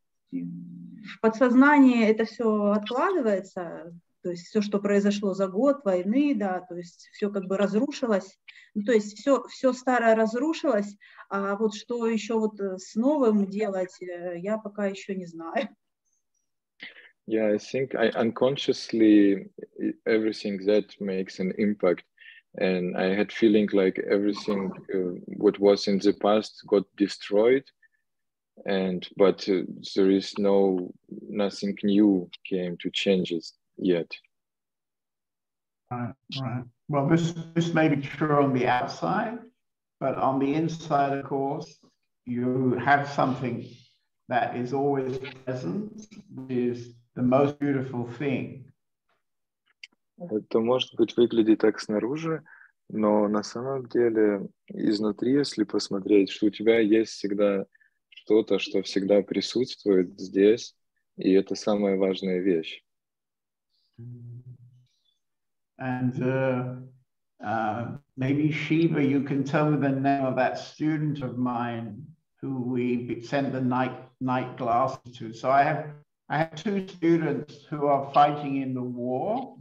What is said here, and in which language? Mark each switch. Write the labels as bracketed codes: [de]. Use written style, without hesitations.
[ru] В подсознании это все откладывается, то есть все, что произошло за год войны, да, то есть все как бы разрушилось, ну, то есть все старое разрушилось, а вот что еще вот с новым делать, я пока еще не знаю. [en] Yeah, I think I unconsciously everything that makes an impact, and I had feeling like everything what was in the past got destroyed. But there is nothing new came to change it yet. Right. Well, this may be true on the outside, but on the inside, of course, you have something that is always present, which is the most beautiful thing. [ru] Это может быть выглядит так снаружи, но на самом деле изнутри, если посмотреть, что у тебя есть всегда что-то, что всегда присутствует здесь, и это самая важная вещь. [en] And maybe Shiva, you can tell me the name of that student of mine who we sent the night glasses to. So I have two students who are fighting in the war.